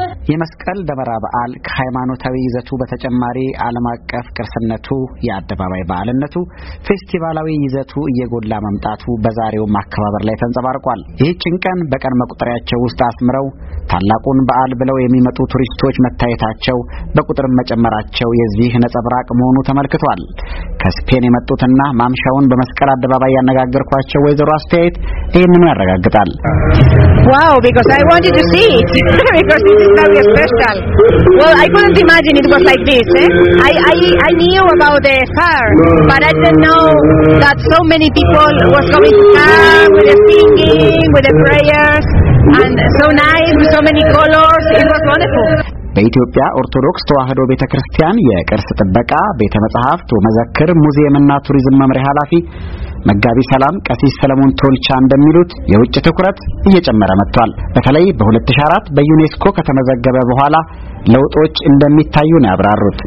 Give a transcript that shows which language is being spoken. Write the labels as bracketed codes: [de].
[am] የመስቀል ደመራ በዓል ከሃይማኖታዊ ይዘቱ በተጨማሪ ዓለም አቀፍ ቅርስነቱ ያደባባይ በዓልነቱ ፌስቲቫላዊ ይዘቱ እየጎላ መምጣቱ በዛሬው ማከባበር ላይ ተንጸባርቋል። ይህችን ቀን በቀን መቁጠሪያቸው ውስጥ አስመረው ታላቁን በዓል ብለው የሚመጡ ቱሪስቶች መታየታቸው በቁጥር መጨመራቸው የዚህ ነጸብራቅ መሆኑ ተመልክቷል። ከስፔን የመጡትና ማምሻውን በመስቀል አደባባይ ያነጋገርኳቸው ወይዘሮ አስተያየት ይህንኑ ያረጋግጣል። [en] Wow, because I wanted to see it. Because this is very special. Well, I couldn't imagine it was like this. I knew about the fair, but I didn't know that so many people was coming to come with the singing, with the prayers, and so nice, with so many colors. It was wonderful. [am] በኢትዮጵያ ኦርቶዶክስ ተዋህዶ ቤተክርስቲያን የቅርስ ጥበቃ ቤተመጻሕፍት ወመዘክር ሙዚየምና ቱሪዝም መምሪያ ኃላፊ መጋቢ ሰላም ቀሲስ ሰለሞን ቶልቻ እንደሚሉት የውጭ ትኩረት እየጨመረ መጥቷል። በተለይ በ2004 በዩኔስኮ ከተመዘገበ በኋላ ለውጦች እንደሚታዩ ነው ያብራሩት።